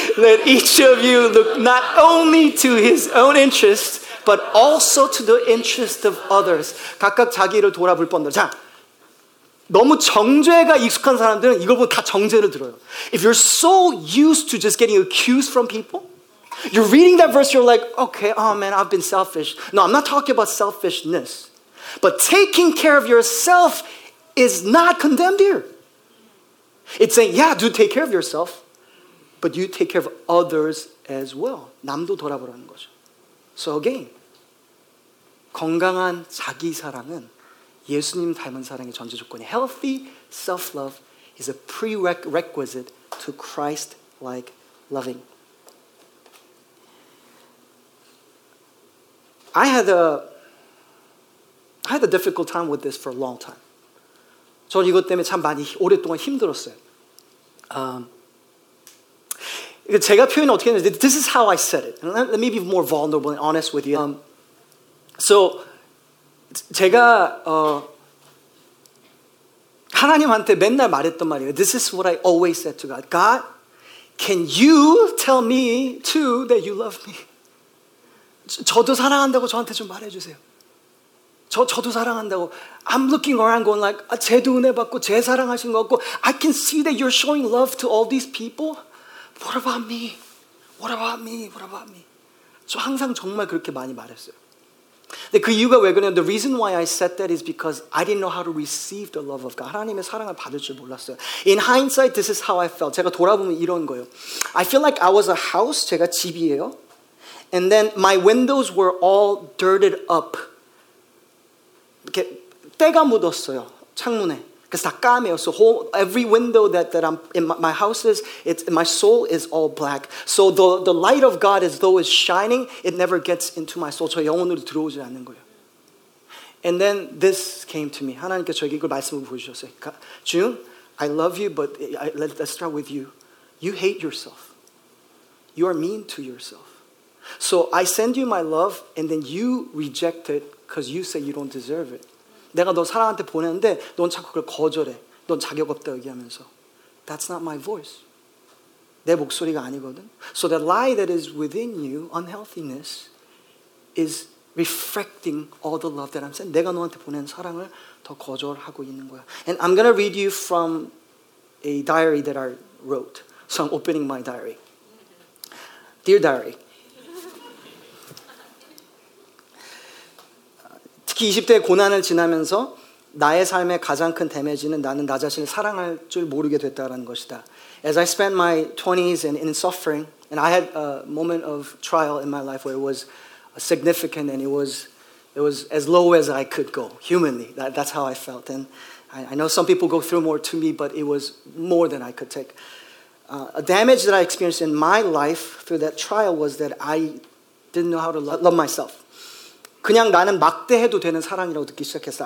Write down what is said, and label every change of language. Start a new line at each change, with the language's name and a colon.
English: Let each of you look not only to his own interests. But also to the interest of others.
Korean: 각각 자기를 돌아볼 뻔들. 자, 너무 정죄가 익숙한 사람들은 이걸 보면 다 정죄를 들어요.
English: If you're so used to just getting accused from people, you're reading that verse, you're like, okay, oh man, I've been selfish. No, I'm not talking about selfishness. But taking care of yourself is not condemned here. It's saying, yeah, do take care of yourself, but you take care of others as well.
Korean: 남도 돌아보라는 거죠.
English: So again,
Korean: 건강한 자기 사랑은 예수님 닮은 사랑의 전제 조건이에요.
English: Healthy self-love is a prerequisite to Christ-like loving. I had a difficult time with this for a long time.
Korean: 저는 이것 때문에 참 많이 오랫동안 힘들었어요. 제가 표현을 어떻게 했는지,
English: this is how I said it. Let me be more vulnerable and honest with you.
Korean: So, 제가 하나님한테 맨날 말했던 말이에요.
English: This is what I always said to God. God, can you tell me too that you love me?
Korean: 저도 사랑한다고 저한테 좀 말해주세요. 저도 사랑한다고.
English: I'm looking around going like,
Korean: 쟤도 은혜 받고, 쟤 사랑하신 것 같고,
English: I can see that you're showing love to all these people. What about me? What about me? What about me?
Korean: 저 항상 정말 그렇게 많이 말했어요. 근데 그 이유가 왜 그러냐면
English: the reason why I said that is because I didn't know how to receive the love of God.
Korean: 하나님의 사랑을 받을 줄 몰랐어요.
English: In hindsight, this is how I felt.
Korean: 제가 돌아보면 이런 거예요.
English: I feel like I was a house.
Korean: 제가 집이에요.
English: And then my windows were all dirted up.
Korean: 이렇게 때가 묻었어요. 창문에. 그래서 다 까매요.
English: So whole, every window that I'm in my house is, it's, my soul is all black. So the light of God as though it's shining, it never gets into my soul.
Korean: 저 영혼으로 들어오지 않는 거예요.
English: And then this came to me.
Korean: 하나님께 저에게 이걸 말씀을 보여주셨어요.
English: 주님, I love you, but let's start with you. You hate yourself. You are mean to yourself. So I send you my love, and then you reject it because you say you don't deserve it.
Korean: 내가 너 사랑한테 보냈는데 넌 자꾸 그걸 거절해. 넌 자격 없다 얘기하면서.
English: That's not my voice.
Korean: 내 목소리가 아니거든.
English: So the lie that is within you, unhealthiness, is reflecting all the love that I'm sending.
Korean: 내가 너한테 보낸 사랑을 더 거절하고 있는 거야.
English: And I'm going to read you from a diary that I wrote. So I'm opening my diary. Dear diary.
Korean: 특히 20대의 고난을 지나면서 나의 삶의 가장 큰 데미지는 나는 나 자신을 사랑할 줄 모르게 됐다라는 것이다.
English: As I spent my 20s and in suffering, and I had a moment of trial in my life where it was significant and it was as low as I could go, humanly. That's how I felt. And I know some people go through more to me, but it was more than I could take. A damage that I experienced in my life through that trial was that I didn't know how to love myself.
Korean: 그냥 나는 막대해도 되는 사랑이라고 듣기 시작했어.